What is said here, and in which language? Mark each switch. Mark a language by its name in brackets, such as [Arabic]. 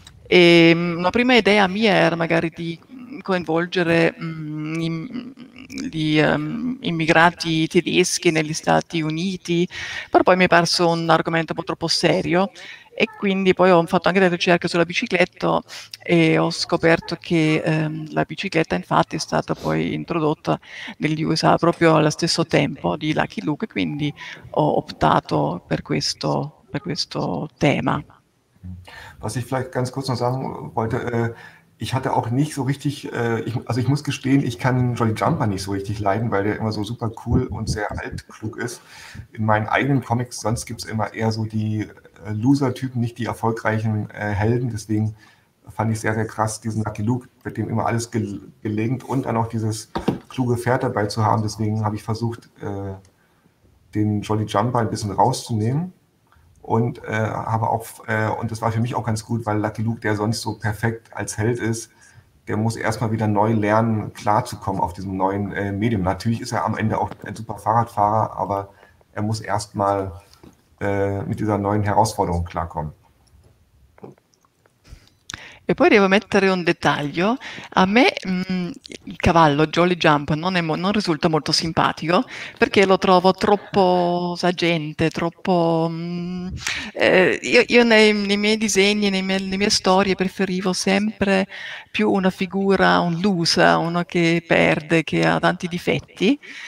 [Italian] E una prima idea mia era magari di coinvolgere immigrati tedeschi negli Stati Uniti, però poi mi è parso un argomento un po' troppo serio, e quindi poi ho fatto anche delle ricerche sulla bicicletta e ho scoperto che la bicicletta infatti è stata poi introdotta negli USA proprio allo stesso tempo di Lucky Luke, quindi ho optato per questo tema. [German] Was ich vielleicht ganz kurz noch sagen wollte, ich hatte auch nicht so richtig, also ich muss gestehen, ich kann Jolly Jumper nicht so richtig leiden, weil der immer so super cool und sehr altklug ist. In meinen eigenen Comics, sonst gibt es immer eher so die Loser-Typen, nicht die erfolgreichen Helden. Deswegen fand ich sehr, sehr krass, diesen Lucky Luke, mit dem immer alles gelingt und dann auch dieses kluge Pferd dabei zu haben. Deswegen habe ich versucht, den Jolly Jumper ein bisschen rauszunehmen. Und habe auch und das war für mich auch ganz gut, weil Lucky Luke, der sonst so perfekt als Held ist, der muss erstmal wieder neu lernen, klarzukommen auf diesem neuen Medium. Natürlich ist er am Ende auch ein super Fahrradfahrer, aber er muss erstmal mit dieser neuen Herausforderung klarkommen. [Italian] E poi devo mettere un dettaglio. A me il cavallo Jolly Jump non risulta molto simpatico, perché lo trovo troppo sagente, troppo... io nei miei disegni, nelle mie storie, preferivo sempre più una figura, un loser, uno che perde, che ha tanti difetti.